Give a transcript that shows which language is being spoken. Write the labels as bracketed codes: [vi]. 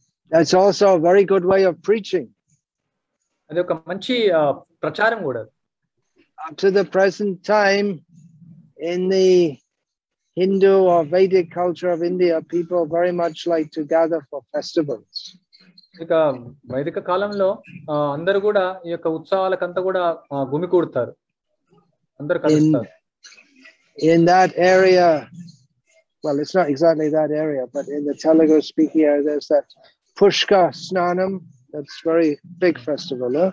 [en] That's also a very good way of preaching. [te] అది ఒక మంచి ప్రచారం కూడా. [en] Up to the present time, in the Hindu or Vedic culture of India, people very much like to gather for festivals. [te] ఇంకా వైదిక కాలంలో అందరూ కూడా ఈ యొక్క ఉత్సవాలకంతా కూడా గుమి కూడతారు. [en] In that area, well, it's not exactly that area, but in the Telugu speaking area, there's that Pushka Snanam. That's a very big festival.